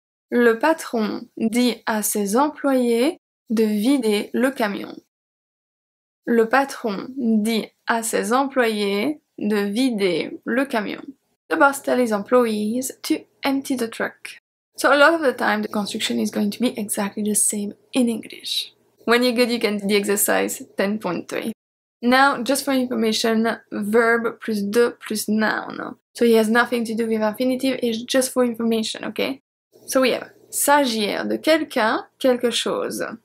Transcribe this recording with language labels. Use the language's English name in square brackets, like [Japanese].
[French] Le patron dit à ses employés de vider le camion. Le patron dit à ses employés de vider le camion. [English] The boss tells his employees to empty the truck. So a lot of the time, the construction is going to be exactly the same in English. When you're good, you can do the exercise 10.3. Now, just for information, verb plus de plus noun. So it has nothing to do with infinitive, it's just for information, okay? So we have [French] s'agir de quelqu'un, quelque chose.